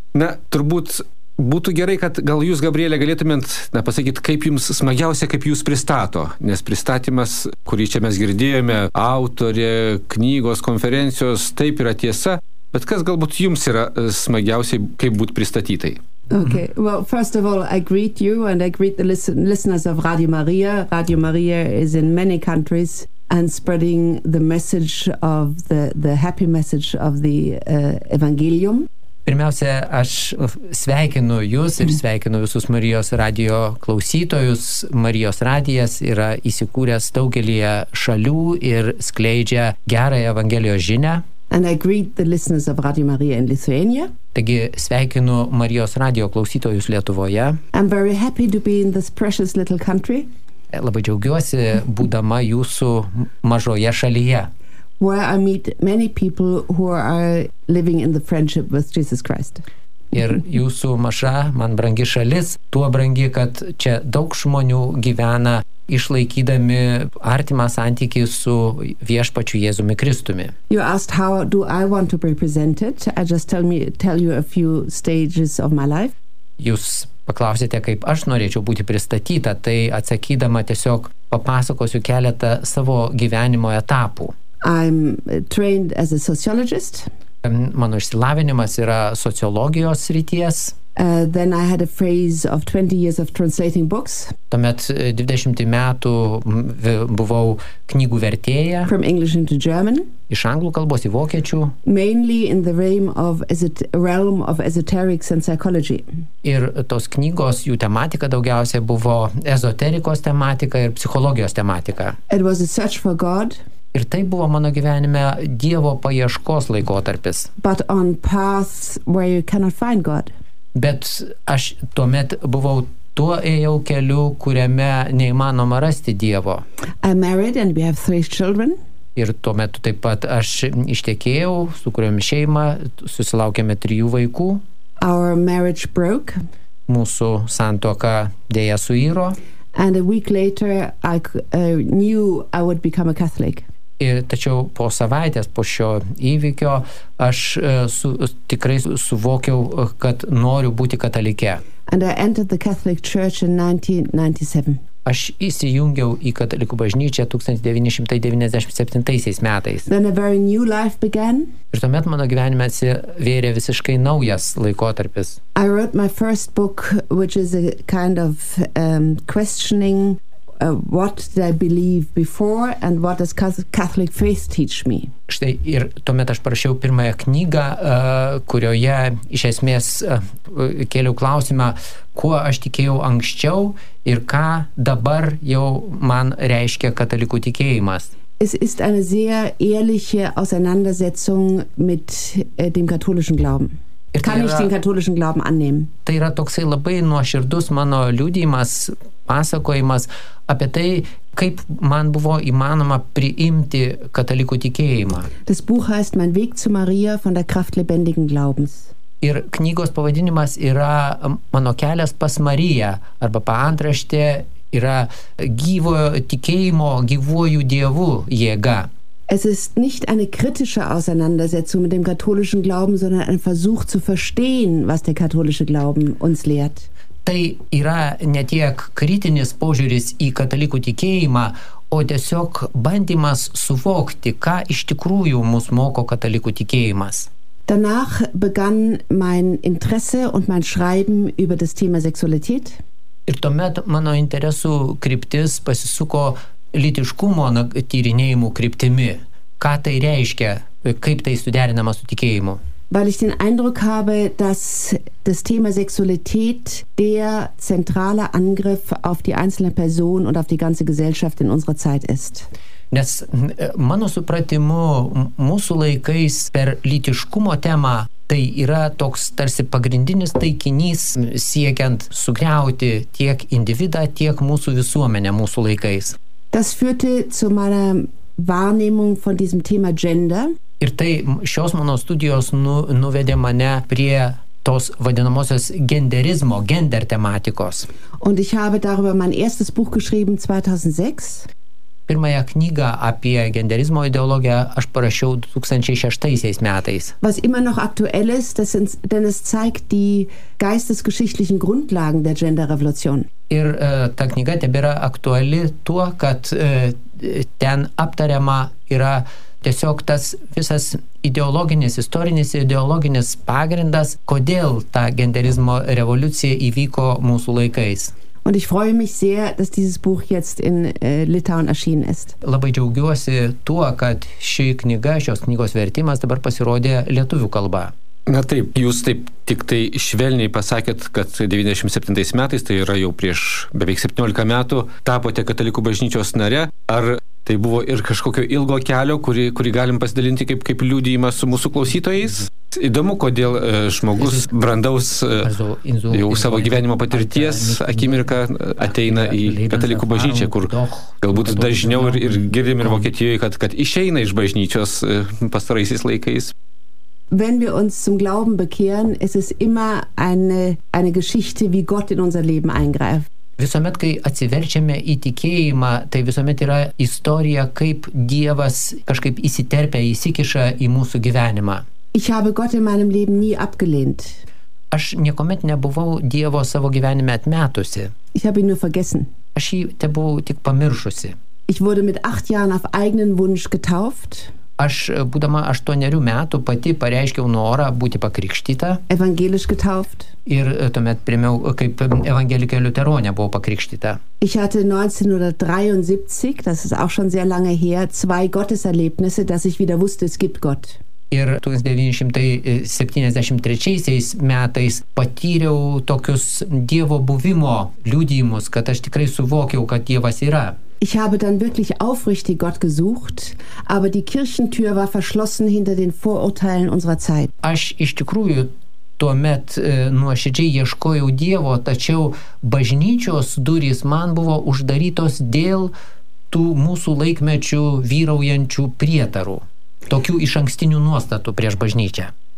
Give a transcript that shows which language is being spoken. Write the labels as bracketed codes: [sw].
[lt] Na, turbūt būtų gerai, kad gal jūs, Gabrielė, galėtumėt pasakyti, kaip jums smagiausia, kaip jūs pristato, nes pristatymas, kurį čia mes girdėjome, autorė, knygos, konferencijos, taip yra tiesa, bet kas galbūt jums yra smagiausiai, kaip būt pristatytai? [en] Okay, well, first of all, I greet you and I greet the listeners of Radio Maria. Radio Maria is in many countries and spreading the message of the happy message of the Evangelium. [lt] Pirmiausia, aš sveikinu jūs ir sveikinu visus Marijos radijo klausytojus. Marijos radijas yra įsikūręs daugelyje šalių ir skleidžia gerąją Evangelijos žinią. [en] And I greet the listeners of Radio Maria in Lithuania. [lt] Taigi sveikinu Marijos radijo klausytojus Lietuvoje. [en] I'm very happy to be in this precious little country. [lt] Labai džiaugiuosi, būdama jūsų mažoje šalyje. [en] Where I meet many people who are living in the friendship with Jesus Christ. [lt] Ir jūsų maža, man brangi šalis, tuo brangi, kad čia daug žmonių gyvena išlaikydami artimą santykį su viešpačiu Jėzumi Kristumi. [en] You asked how do I want to be presented? I just tell you a few stages of my life. [lt] Jūs paklausėte, kaip aš norėčiau būti pristatyta, tai atsakydama tiesiog papasakosiu keletą savo gyvenimo etapų. [en] I'm trained as a sociologist. [lt] Mano išsilavinimas yra sociologijos srities. [en] Then I had a phase of 20 years of translating books. [lt] Tuomet 20 metų buvau knygų vertėja. [en] From English into German. [lt] Iš anglų kalbos į vokiečių. [en] Mainly in the realm of esoterics and psychology. [lt] Ir tos knygos, jų tematika daugiausiai buvo ezoterikos tematika ir psichologijos tematika. [en] It was a search for God. [lt] Ir tai buvo mano gyvenime Dievo paieškos laikotarpis. [en] But on paths where you cannot find God. [lt] Bet aš tuomet buvau tuo ėjau keliu, kuriame neįmanoma rasti Dievo. [en] I'm married and we have three children. [lt] Ir tuomet taip pat aš ištekėjau, su kuriuom šeima, susilaukėme trijų vaikų. [en] Our marriage broke. [lt] Mūsų santuoka dėja suyro. [en] And a week later I knew I would become a Catholic. [lt] Ir tačiau po savaitės po šio įvykio aš tikrai suvokiau, kad noriu būti katalike. [en] And I entered the Catholic Church in 1997. [lt] Aš įsijungiau į katalikų bažnyčią 1997 metais. [en] Then a very new life began. [lt] Ir tuomet mano gyvenime atsivėrė visiškai naujas laikotarpis. [en] I wrote my first book, which is a kind of questioning what did I believe before and what does Catholic faith teach me? [lt] Štai ir tuomet aš parašiau pirmąją knygą, kurioje iš esmės kėliau klausimą, kuo aš tikėjau anksčiau ir ką dabar jau man reiškia katalikų tikėjimas. [de] Es ist eine sehr ehrliche Auseinandersetzung mit dem katholischen Glauben. Ir kann ich den katholischen Glauben annehmen? [lt] Tai yra toksai labai nuoširdus mano liudijimas, pasakojimas apie tai, kaip man buvo įmanoma priimti katalikų tikėjimą. [de] Das Buch heißt Mein Weg zu Maria von der Kraft lebendigen Glaubens. [lt] Ir knygos pavadinimas yra Mano kelias pas Mariją, arba paantraštė yra gyvojo tikėjimo gyvuoju Dievu jėga. [de] Es ist nicht eine kritische Auseinandersetzung mit dem katholischen Glauben, sondern ein Versuch zu verstehen, was der katholische Glauben uns lehrt. [lt] Tai yra ne tiek kritinis požiūris į katalikų tikėjimą, o tiesiog bandymas suvokti, ką iš tikrųjų mus moko katalikų tikėjimas. [de] Danach begann mein Interesse und mein Schreiben über das Thema Sexualität. [lt] Ir tuomet mano interesų kryptis pasisuko lytiškumo tyrinėjimų kryptimi. Ką tai reiškia, kaip tai suderinama su tikėjimu? [de] Weil ich den Eindruck habe, dass das Thema Sexualität der zentrale Angriff auf die einzelne Person und auf die ganze Gesellschaft in unserer Zeit ist. [lt] Nes mano supratimu, mūsų laikais per lytiškumo temą tai yra toks tarsi pagrindinis taikinys siekiant sugriauti tiek individą, tiek mūsų visuomenę mūsų laikais. [de] Das führte zu meiner Wahrnehmung von diesem Thema Gender. [lt] Ir tai šios mano studijos nuvedė mane prie tos vadinamosios genderizmo, gender tematikos. [de] Und ich habe darüber mein erstes Buch geschrieben 2006. [lt] Pirmąją knygą apie genderizmo ideologiją aš parašiau 2006 metais. [de] Was immer noch aktuell ist, denn es zeigt die geistesgeschichtlichen Grundlagen der Genderrevolution. [lt] Ir ta knyga tebėra aktuali tuo, kad ten aptariama yra tiesiog tas visas ideologinis, istorinis ideologinis pagrindas, kodėl ta genderizmo revoliucija įvyko mūsų laikais. [de] Und ich freue mich sehr, dass dieses Buch jetzt in Litauen erschienen ist. [lt] Labai džiaugiuosi tuo, kad ši knyga, šios knygos vertimas dabar pasirodė lietuvių kalba. Na taip, jūs taip tik tai švelniai pasakėt, kad 97 metais, tai yra jau prieš beveik 17 metų, tapote katalikų bažnyčios nare. Ar tai buvo ir kažkokio ilgo kelio, kurį galim pasidalinti kaip liūdėjimą su mūsų klausytojais? Įdomu, kodėl žmogus brandaus jau savo gyvenimo patirties akimirką ateina į katalikų bažnyčią, kur galbūt dažniau ir girdim ir Vokietijoje, kad išeina iš bažnyčios pastaraisiais laikais. [de] Wenn wir uns zum Glauben bekehren, ist es immer eine Geschichte, wie Gott in unser Leben eingreift. [lt] Visuomet, kai atsiverčiame į tikėjimą, tai visuomet yra istorija, kaip Dievas kažkaip įsiterpia, įsikiša į mūsų gyvenimą. [de] Ich habe Gott in meinem Leben nie abgelehnt. [lt] Aš niekomet nebuvau Dievo savo gyvenime atmetusi. [de] Ich habe ihn nur vergessen. [lt] Aš jį tebuvau tik pamiršusi. [de] Ich wurde mit 8 Jahren auf eigenen Wunsch getauft. [lt] Aš, būdama 8 metų, pati pareiškiau norą būti pakrikštyta. [de] Evangelisch getauft. [lt] Ir tuomet primiau, kaip evangelikė liuteronė buvo pakrikštyta. [de] Ich hatte 1973, das ist auch schon sehr lange her, 2 Gotteserlebnisse, dass ich wieder wusste, es gibt Gott. [lt] Ir 1973 metais patyriau tokius Dievo buvimo liudijimus, kad aš tikrai suvokiau, kad Dievas yra. [de] Ich habe dann wirklich aufrichtig Gott gesucht, aber die Kirchentür war verschlossen hinter den Vorurteilen unserer Zeit. [lt] Aš iš tikrųjų tuomet nuoširdžiai ieškojau Dievo, tačiau bažnyčios durys man buvo uždarytos dėl tų mūsų laikmečių vyraujančių prietarų, tokių iš ankstinių nuostatų prieš bažnyčią.